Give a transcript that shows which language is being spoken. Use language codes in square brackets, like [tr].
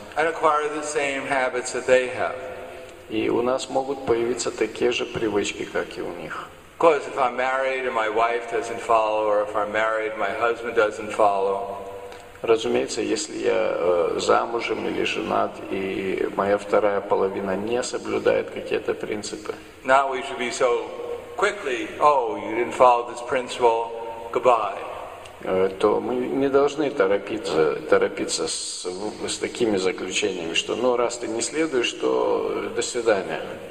[en] And acquire the same habits that they have. [ru] И у нас могут появиться такие же привычки, как и у них. [en] Of course, if I'm married and my wife doesn't follow, or if I'm married and my husband doesn't follow. [ru] Разумеется, если я замужем или женат, и моя вторая половина не соблюдает какие-то принципы. [en] Now we should be so quickly, oh, you didn't follow this principle, goodbye. [ru] То мы не должны торопиться с такими заключениями, что, ну, раз ты не следуешь, то до свидания.